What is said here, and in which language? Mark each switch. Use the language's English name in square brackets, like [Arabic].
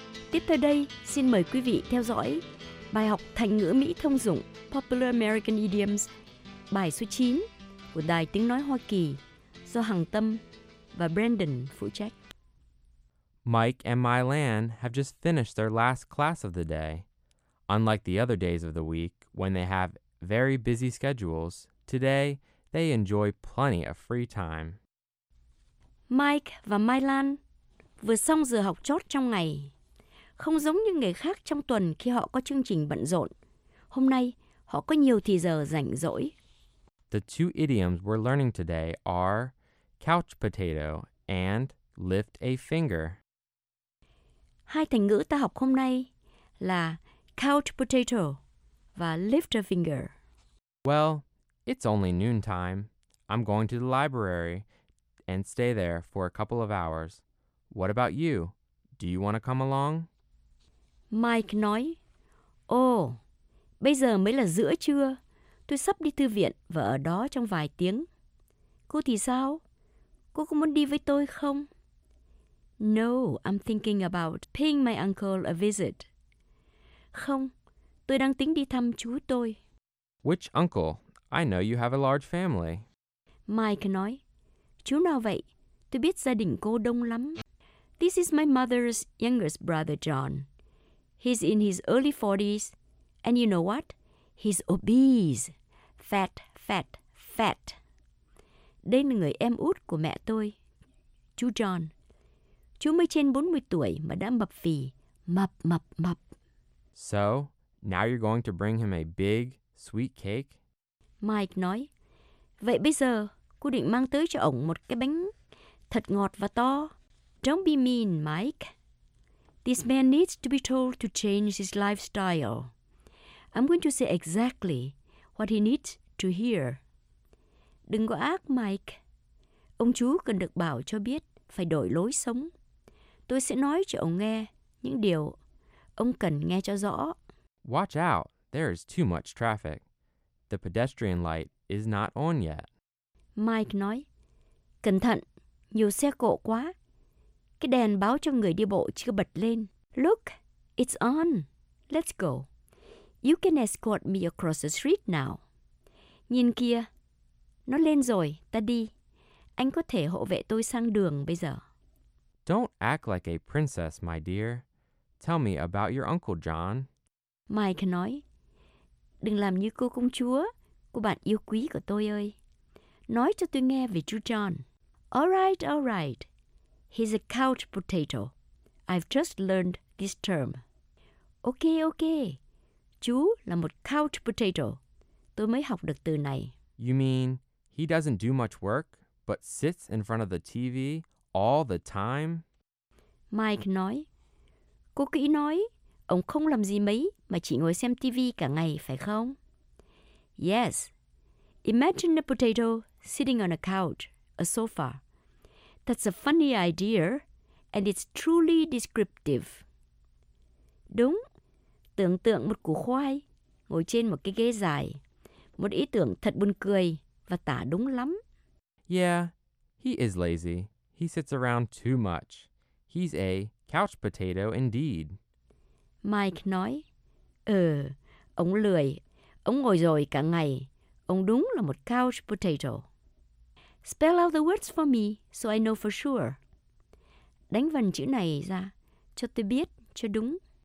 [Vietnamese] Tiếp theo đây, xin mời quý vị theo dõi bài học thành ngữ Mỹ thông dụng Popular American Idioms, bài số 9 của Đài Tiếng Nói Hoa Kỳ do Hằng Tâm và Brandon phụ trách. [English] Mike and Mylan have just finished their last class of the day. Unlike the other days of the week, when they have very busy schedules, today they enjoy plenty of free time. [Vietnamese] Mike và Mylan vừa xong giờ học chót trong ngày. Không giống như ngày khác trong tuần khi họ có chương trình bận rộn, hôm nay họ có nhiều thời giờ rảnh rỗi. [English] The two idioms we're learning today are couch potato and lift a finger. [Vietnamese] Hai thành ngữ ta học hôm nay là couch potato và lift a finger. [English] Well, it's only noon time. I'm going to the library and stay there for a couple of hours. What about you? Do you want to come along? [Vietnamese] Mike nói, bây giờ mới là giữa trưa, tôi sắp đi thư viện và ở đó trong vài tiếng. Cô thì sao? Cô có muốn đi với tôi không? [English] No, I'm thinking about paying my uncle a visit. [Vietnamese] Không, tôi đang tính đi thăm chú tôi. [English] Which uncle? I know you have a large family. [Vietnamese] Mike nói, chú nào vậy? Tôi biết gia đình cô đông lắm. [English] This is my mother's youngest brother John. He's in his early 40s, and you know what? He's obese. Fat, fat, fat. [Vietnamese] Đây là người em út của mẹ tôi, chú John. Chú mới trên 40 tuổi mà đã mập phì, mập, mập, mập. [English] So, now you're going to bring him a big, sweet cake? [Vietnamese] Mike nói, vậy bây giờ cô định mang tới cho ông một cái bánh thật ngọt và to. [English] Don't be mean, Mike. This man needs to be told to change his lifestyle. I'm going to say exactly what he needs to hear. [Vietnamese] Đừng có ác, Mike. Ông chú cần được bảo cho biết phải đổi lối sống. Tôi sẽ nói cho ông nghe những điều ông cần nghe cho rõ. [English] Watch out, there is too much traffic. The pedestrian light is not on yet. [Vietnamese] Mike nói, cẩn thận, nhiều xe cộ quá. Cái đèn báo cho người đi bộ chưa bật lên. [English] Look, it's on. Let's go. You can escort me across the street now. [Vietnamese] Nhìn kia, nó lên rồi, ta đi. Anh có thể hộ vệ tôi sang đường bây giờ. [English] Don't act like a princess, my dear. Tell me about your Uncle John. [Vietnamese] Mike nói, đừng làm như cô công chúa, cô bạn yêu quý của tôi ơi. Nói cho tôi nghe về chú John. [English] Alright, alright. He's a couch potato. I've just learned this term. [Vietnamese] Okay, okay. Chú là một couch potato. Tôi mới học được từ này. [English] You mean he doesn't do much work, but sits in front of the TV all the time? [Vietnamese] Mike nói, cô kỹ nói, ông không làm gì mấy mà chỉ ngồi xem TV cả ngày, phải không? [English] Yes. Imagine a potato sitting on a couch, a sofa. That's a funny idea, and it's truly descriptive. [Vietnamese] Đúng. Tưởng tượng một củ khoai ngồi trên một cái ghế dài. Một ý tưởng thật buồn cười và tả đúng lắm. [English] Yeah, he is lazy. He sits around too much. He's a couch potato indeed. [Vietnamese] Mike nói, ông lười. Ông ngồi rồi cả ngày. Ông đúng là một couch potato. [English] Spell out the words for me so I know for sure. [Vietnamese] Đánh vần chữ này ra cho tôi biết cho đúng.